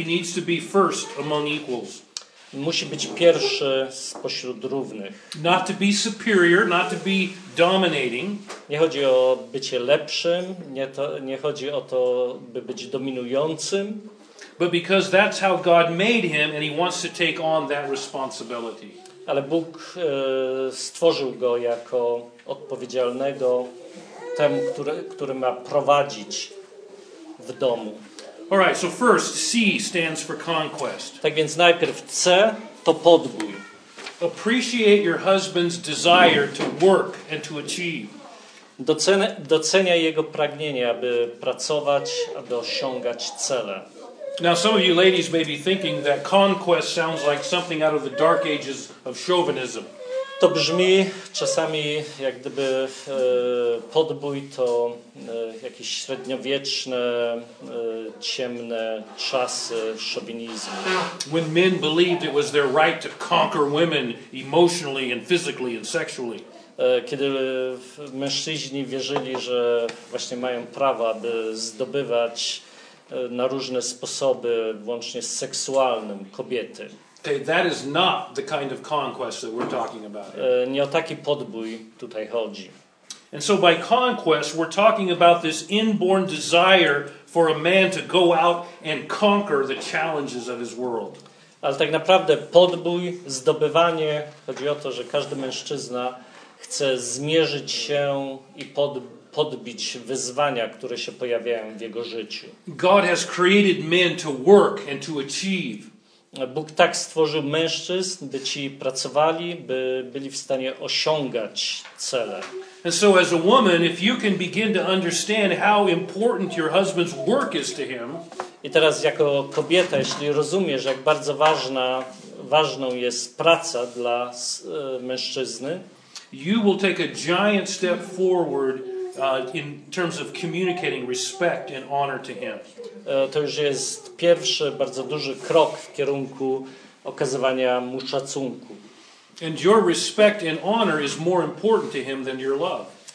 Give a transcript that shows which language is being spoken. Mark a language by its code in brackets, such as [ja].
[en] He needs to be first among equals. [pl] Musi być pierwszy spośród równych. [en] Not to be superior, not to be dominating. [pl] Nie chodzi o bycie lepszym, nie chodzi o to, by być dominującym. [en] But because that's how God made him and he wants to take on that responsibility. [pl] Ale Bóg stworzył go jako odpowiedzialnego temu, który ma prowadzić w domu. [en] All right, so first C stands for conquest. [pl] Tak więc najpierw C to podbój. [en] Appreciate your husband's desire to work and to achieve. [pl] Doceniaj jego pragnienie, aby pracować, aby osiągać cele. [en] Now some of you ladies may be thinking that conquest sounds like something out of the dark ages of chauvinism. [pl] To brzmi czasami jak gdyby podbój to jakieś średniowieczne, ciemne czasy szowinizmu. [en] When men believed it was their right to conquer women emotionally and physically and sexually. [pl] Kiedy mężczyźni wierzyli, że właśnie mają prawa, by zdobywać na różne sposoby, włącznie z seksualnym, kobiety. [en] Okay, that is not the kind of conquest that we're talking about. [pl] Nie o taki podbój tutaj chodzi. [en] And so by conquest we're talking about this inborn desire for a man to go out and conquer the challenges of his world. [pl] Ale tak naprawdę podbój, zdobywanie, chodzi o to, że każdy mężczyzna chce zmierzyć się i podbić wyzwania, które się pojawiają w jego życiu. [en] God has created men to work and to achieve. [pl] Bóg tak stworzył mężczyzn, by ci pracowali, by byli w stanie osiągać cele. [en] And so as a woman, if you can begin to understand how important your husband's work is to him. [pl] I teraz jako kobieta, jeśli rozumiesz, jak bardzo ważną jest praca dla mężczyzny, [en] you will take a giant step forward in terms of communicating respect and honor to him. [pl] To już jest pierwszy bardzo duży krok w kierunku okazywania mu szacunku. [en] And your respect and honor is more important to him than your love.